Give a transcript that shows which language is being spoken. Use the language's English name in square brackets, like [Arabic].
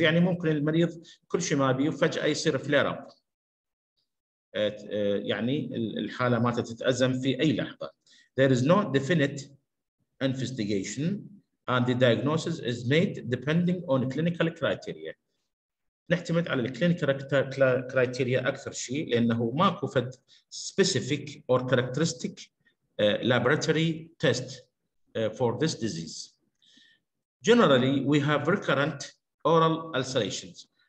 [Arabic] يعني ممكن المريض كل شيء ما بيه فجأة يصير [English] flare up. [Arabic] يعني الحالة ما تتأزم في أي لحظة. [English] There is no definite investigation. And the diagnosis is made depending on clinical criteria. [Arabic] نعتمد على [English] الكلينيكال كرايتيريا [Arabic] أكثر شيء، لأنه ماكو فد [English] specific or characteristic laboratory test for this disease. Generally, we have recurrent oral ulcerations.